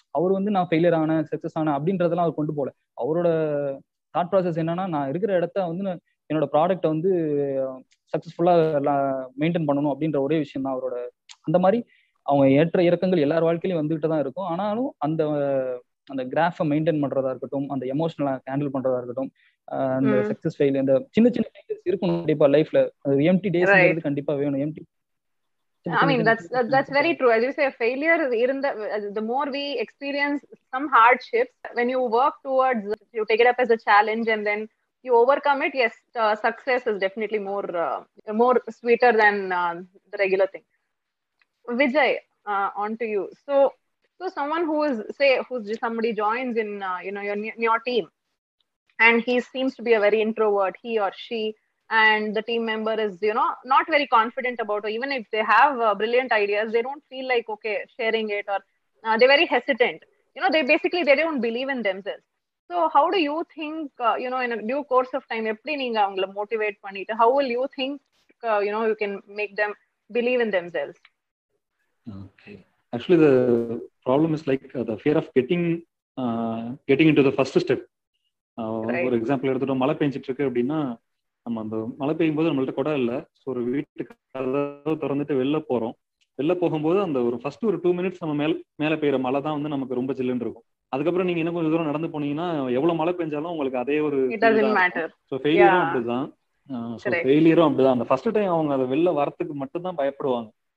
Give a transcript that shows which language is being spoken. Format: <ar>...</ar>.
<ta>அவர் வந்து நான் ஃபெயிலியர் ஆனேன் சக்ஸஸ் ஆனேன் அப்படின்றதெல்லாம் அவர் கொண்டு போகல. அவரோட தாட் ப்ராசஸ் என்னன்னா, நான் இருக்கிற இடத்த வந்து என்னோட ப்ராடக்டை வந்து சக்ஸஸ்ஃபுல்லாக மெயின்டைன் பண்ணணும் அப்படின்ற ஒரே விஷயம் தான் அவரோட. அந்த மாதிரி அவங்க ஏற்ற இறக்கங்கள் எல்லார் வாழ்க்கையிலையும் வந்துகிட்டு தான் இருக்கும். ஆனாலும் அந்த கிராஃபை மெயின்டைன் பண்றதா இருக்கட்டும், அந்த எமோஷனலா ஹேண்டில் பண்றதா இருக்கட்டும், அந்த சக்ஸஸ் ஃபெயில் அந்த சின்ன சின்ன ஃபெயிலியர்ஸ் இருக்கும் கண்டிப்பா லைஃப்ல, அது எம்டி டேஸ் கண்டிப்பா வேணும்.</ta> <en>Empty I mean, that's very true. As you say, failure, the more we experience some hardships, when you work towards, you take it up as a challenge and then you overcome it, yes, success is definitely more sweeter than the regular thing. Vijay, on to you. So someone who is, somebody joins in, your team and he seems to be a very introvert, he or she, and the team member is, not very confident about, or even if they have brilliant ideas, they don't feel like, okay, sharing it, or they're very hesitant. They don't believe in themselves. So how do you think, you know, in a due course of time,</en> <ta>எப்படி நீங்க அவங்கள motivate பண்ணிட்டு,</ta> <en>how will you think, you know, you can make them believe in themselves? Okay. Actually, the problem is like the fear of getting into the first step.</en> <ta>ஒரு example எடுத்துட்டு மழை பெஞ்சிட்டு இருக்கு அப்படின்னா நம்ம அந்த மழை பெய்யும் போது நம்மள்ட்ட கூட இல்லை. ஸோ ஒரு வீட்டுக்கு கதவு திறந்துட்டு வெளில போறோம், வெளில போகும்போது அந்த ஒரு ஃபர்ஸ்ட் ஒரு 2 minutes நம்ம மேலே பெய்யற மழை தான் வந்து நமக்கு ரொம்ப சில்லுன்னு இருக்கும். அதுக்கப்புறம் நீங்க இன்னும் கொஞ்சம் தூரம் நடந்து போனீங்கன்னா எவ்வளவு மழை பெஞ்சாலும் உங்களுக்கு அதே ஒரு ஃபெயிலியரும் அப்படிதான். அந்த ஃபர்ஸ்ட் டைம் அவங்க அதை வெளில வரத்துக்கு மட்டும்தான் பயப்படுவாங்க.</ta>